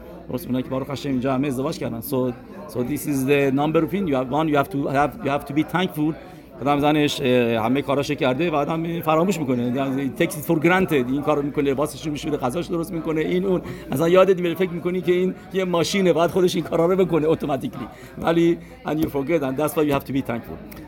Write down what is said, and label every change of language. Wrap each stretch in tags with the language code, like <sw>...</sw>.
<fa>درست اونایی که باروخ هشم اینجا همه ازدواج کردن.</fa> <en>So this is the number of things you have to be thankful.</en> <fa>آدم زنش همه کاراش کرده و آدم فراموش میکنه،</fa> <en>takes it for granted،</en> <fa>این کارو میکنه، لباسش رو میشوره، غذاش درست میکنه، این اون اصلا یادت میره، فکر میکنی که این یه ماشینه باید خودش این کارا رو بکنه اتوماتیکلی، ولی</fa> <en>and you forget and that's why you have to be thankful.</en>